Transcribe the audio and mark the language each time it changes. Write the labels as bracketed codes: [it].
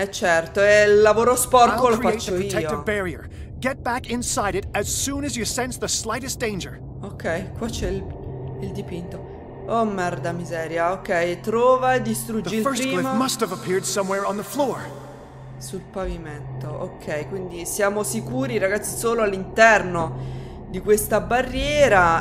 [it] Certo, è il lavoro sporco lo faccio io. [en] I'll create a protective barrier. Get back inside it as soon as you sense the slightest danger. [it] Ok, qua c'è il dipinto. Oh merda miseria. Ok, trova e distruggi il primo. [en] The first glyph must have appeared somewhere on the floor. [it] Sul pavimento. Ok, quindi siamo sicuri, ragazzi, solo all'interno di questa barriera.